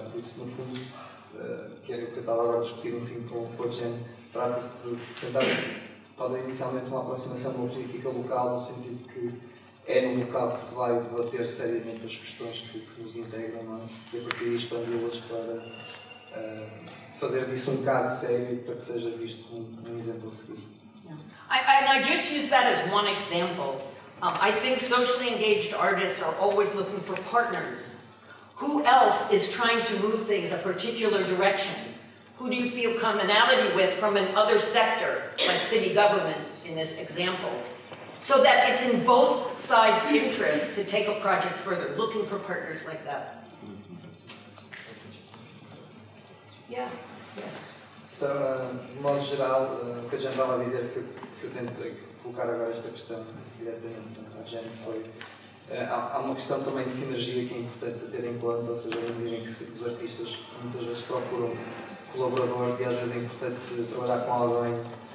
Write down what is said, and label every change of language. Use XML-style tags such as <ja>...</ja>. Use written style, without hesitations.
<pt>Por isso, no fundo, que era o que eu estava agora a discutir no fim com a gente, trata-se de tentar, talvez inicialmente, uma aproximação de uma política local, no sentido que é no local que se vai debater seriamente as questões que nos integram, não é? E a partir de expandi-las para fazer disso um caso sério para que seja visto como um exemplo a seguir.</pt> <en>I just use that as one example. I think socially engaged artists are always looking for partners. Who else is trying to move things a particular direction? Who do you feel commonality with from an other sector, like city government in this example? So that it's in both sides' interest to take a project further, looking for partners like that. Yeah. Yes.</en> <pt>So, de modo geral, o que a gente estava a dizer, que eu tento colocar agora esta questão diretamente à gente, foi, há uma questão também de sinergia que é importante ter em conta, ou seja, em dizer que os artistas muitas vezes procuram colaboradores e às vezes é importante trabalhar com alguém.</pt>